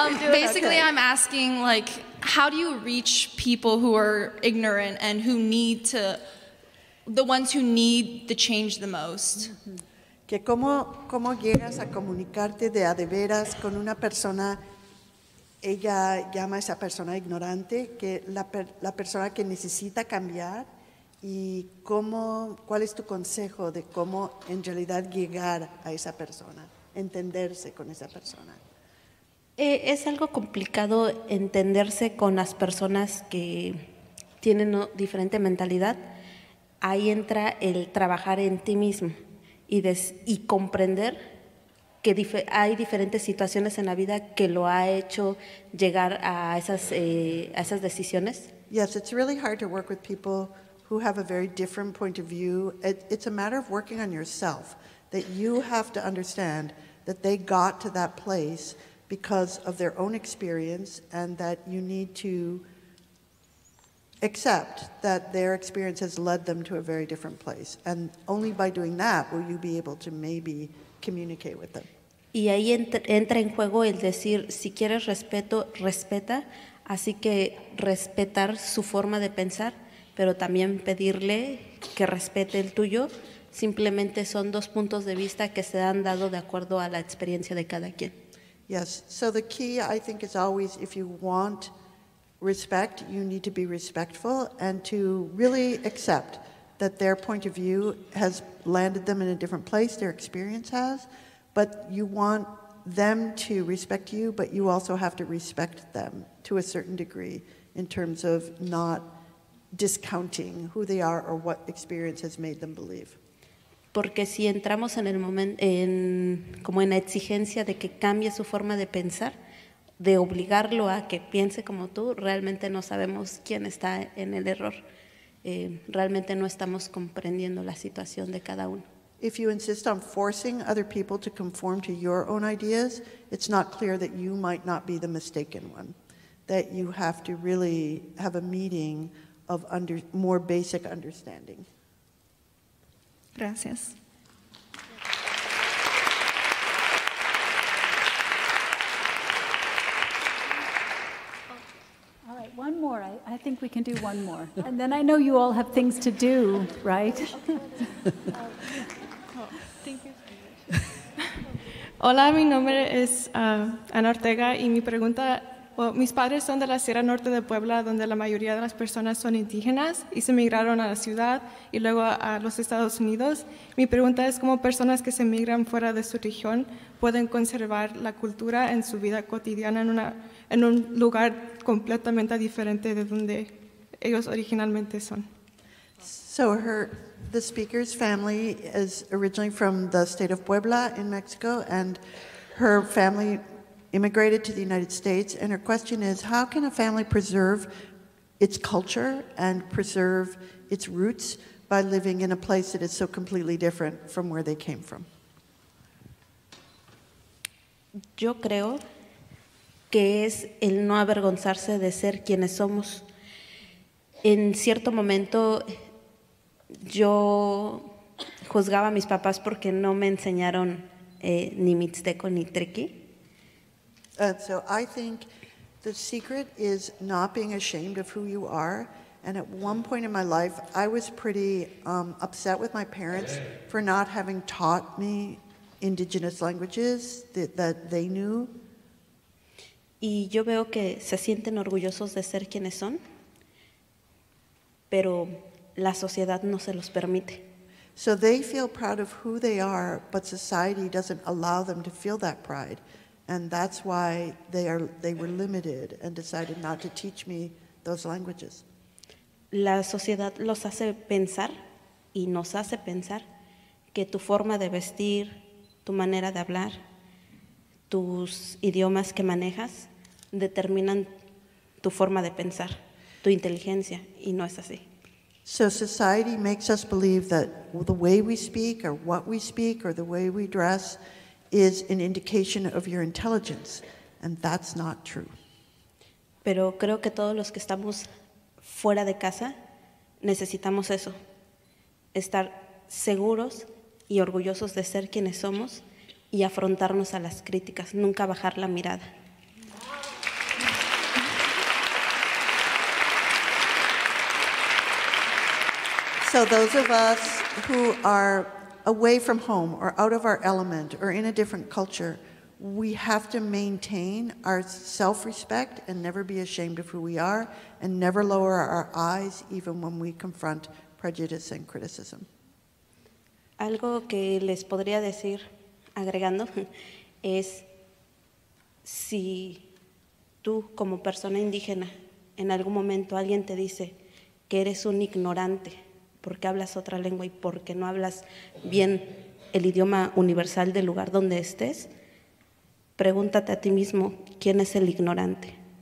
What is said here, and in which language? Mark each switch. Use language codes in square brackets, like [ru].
[en] basically, okay. I'm asking, like, how do you reach people who are ignorant and who need to... the ones who need the change the most. [es] Que cómo llegas a comunicarte de a de veras con una persona, ella llama a esa persona ignorante, que la persona que necesita cambiar, y cuál es tu consejo de cómo en realidad llegar a esa persona, entenderse con esa persona. Es algo complicado entenderse con las personas que tienen diferente mentalidad. Ahí entra el trabajar en ti mismo y comprender que hay diferentes situaciones en la vida que lo ha hecho llegar a esas decisiones. [en] Yes, it's really hard to work with people who have a very different point of view. It's a matter of working on yourself, that you have to understand that they got to that place because of their own experience, and that you need to accept that their experience has led them to a very different place, and only by doing that will you be able to maybe communicate with them. [es] Y ahí entra en juego el decir, si quieres respeto, respeta, así que respetar su forma de pensar, pero también pedirle que respete el tuyo. Simplemente son dos puntos de vista que se han dado de acuerdo a la experiencia de cada quien. Yes, so the key, I think, is always, if you want respect, you need to be respectful and to really accept that their point of view has landed them in a different place, their experience has, but you want them to respect you, but you also have to respect them to a certain degree in terms of not discounting who they are or what experience has made them believe. Porque si entramos en el momento en como en la exigencia de que cambie su forma de pensar, de obligarlo a que piense como tú, realmente no sabemos quién está en el error. Realmente no estamos comprendiendo la situación de cada uno. [en] If you insist on forcing other people to conform to your own ideas, it's not clear that you might not be the mistaken one. That you have to really have a meeting of more basic understanding. [es] Gracias. [en] One more. I think we can do one more. And then I know you all have things to do, right? [es] Hola, mi nombre es Ana Ortega, y mi pregunta, mis padres son de la Sierra Norte de Puebla, donde la mayoría de las personas son indígenas y se emigraron a la ciudad y luego a los Estados Unidos. Mi pregunta es cómo personas que se emigran fuera de su región pueden conservar la cultura en su vida cotidiana en un lugar completamente diferente de donde ellos originalmente son. [en] So the speaker's family is originally from the state of Puebla in Mexico, and her family immigrated to the United States, and her question is, how can a family preserve its culture and preserve its roots by living in a place that is so completely different from where they came from? [es] Yo creo que es el no avergonzarse de ser quienes somos. En cierto momento, yo juzgaba a mis papás porque no me enseñaron ni mixteco ni triqui. [en] And so I think the secret is not being ashamed of who you are. And at one point in my life, I was pretty upset with my parents for not having taught me indigenous languages that they knew. [es] Y yo veo que se sienten orgullosos de ser quienes son, pero la sociedad no se los permite. [en] So they feel proud of who they are, but society doesn't allow them to feel that pride. And that's why they were limited and decided not to teach me those languages. [es] La sociedad los hace pensar y nos hace pensar que tu forma de vestir, tu manera de hablar, tus idiomas que manejas determinan tu forma de pensar, tu inteligencia, y no es así. [en] So society makes us believe that the way we speak or what we speak or the way we dress is an indication of your intelligence, and that's not true. [es] Pero creo que todos los que estamos fuera de casa necesitamos eso, estar seguros y orgullosos de ser quienes somos y afrontarnos a las críticas, nunca bajar la mirada. [en] So those of us who are away from home or out of our element or in a different culture, we have to maintain our self-respect and never be ashamed of who we are and never lower our eyes even when we confront prejudice and criticism. [es] Algo que les podría decir agregando es si tú como persona indígena en algún momento alguien te dice que eres un ignorante porque hablas otra lengua y porque no hablas bien el idioma universal del lugar donde estés, pregúntate a ti mismo, ¿quién es el ignorante?